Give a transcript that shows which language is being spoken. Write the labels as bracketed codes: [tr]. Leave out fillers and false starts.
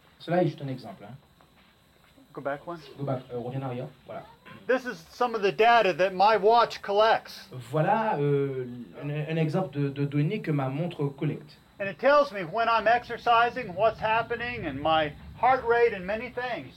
[fr] Cela est juste un exemple. Hein. [en] Go back one. Go back, [fr] reviens en arrière. Voilà. [en] This is some of the data that my watch collects. [fr] Voilà un exemple de données que ma montre collecte. [en] And it tells me when I'm exercising, what's happening, and my heart rate, and many things.